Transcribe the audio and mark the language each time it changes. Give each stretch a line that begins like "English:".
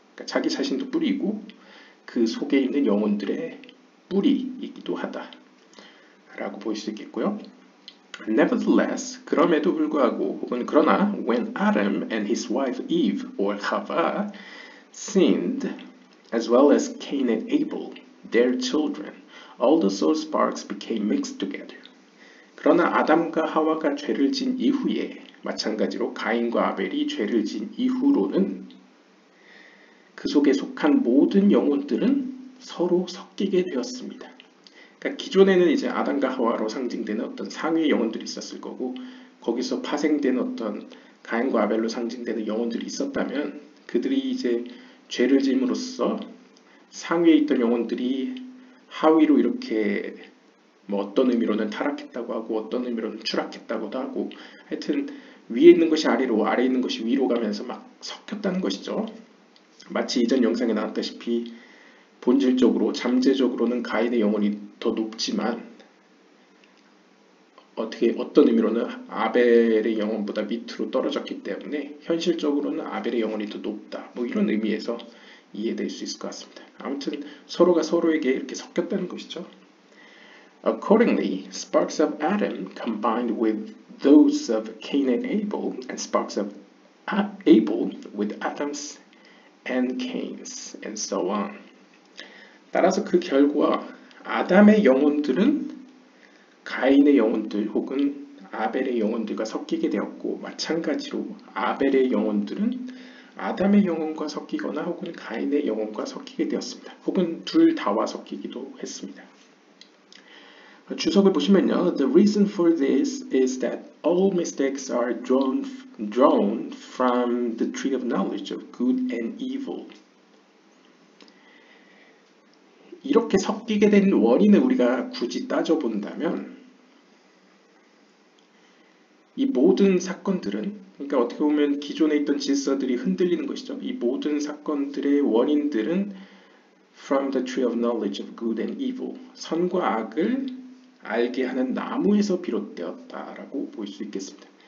Korean: 그러니까 자기 자신도 뿌리이고 그 속에 있는 영혼들의 뿌리이기도 하다 라고 볼 수 있겠고요.
English: Nevertheless,
Korean: 그럼에도 불구하고 혹은 그러나
English: when Adam and his wife Eve or Hava sinned as well as Cain and Abel, their children, all the soul sparks became mixed together.
Korean: 그러나 아담과 하와가 죄를 진 이후에 마찬가지로 가인과 아벨이 죄를 진 이후로는 그 속에 속한 모든 영혼들은 서로 섞이게 되었습니다. 기존에는 이제 아담과 하와로 상징되는 어떤 상위의 영혼들이 있었을 거고 거기서 파생된 어떤 가인과 아벨로 상징되는 영혼들이 있었다면 그들이 이제 죄를 짐으로써 상위에 있던 영혼들이 하위로 이렇게 뭐 어떤 의미로는 타락했다고 하고 어떤 의미로는 추락했다고도 하고 하여튼 위에 있는 것이 아래로 아래에 있는 것이 위로 가면서 막 섞였다는 것이죠. 마치 이전 영상에 나왔다시피 본질적으로 잠재적으로는 가인의 영혼이 더 높지만 어떤 의미로는 아벨의 영혼보다 밑으로 떨어졌기 때문에 현실적으로는 아벨의 영혼이 더 높다. 뭐 이런 의미에서 이해될 수 있을 것 같습니다. 아무튼 서로가 서로에게 이렇게 섞였다는 것이죠.
English: Accordingly, sparks of Adam combined with those of Cain and Abel and sparks of Abel with Adam's and Cain's and so on.
Korean: 따라서 그 결과 아담의 영혼들은 가인의 영혼들 혹은 아벨의 영혼들과 섞이게 되었고 마찬가지로 아벨의 영혼들은 아담의 영혼과 섞이거나 혹은 가인의 영혼과 섞이게 되었습니다. 혹은 둘 다와 섞이기도 했습니다. 주석을 보시면요.
English: The reason for this is that all mistakes are drawn from the tree of knowledge of good and evil.
Korean: 이렇게 섞이게 된 원인을 우리가 굳이 따져본다면 이 모든 사건들은 그러니까 어떻게 보면 기존에 있던 질서들이 흔들리는 것이죠. 이 모든 사건들의 원인들은
English: from the tree of knowledge of good and evil,
Korean: 선과 악을 알게 하는 나무에서 비롯되었다라고 볼 수 있겠습니다.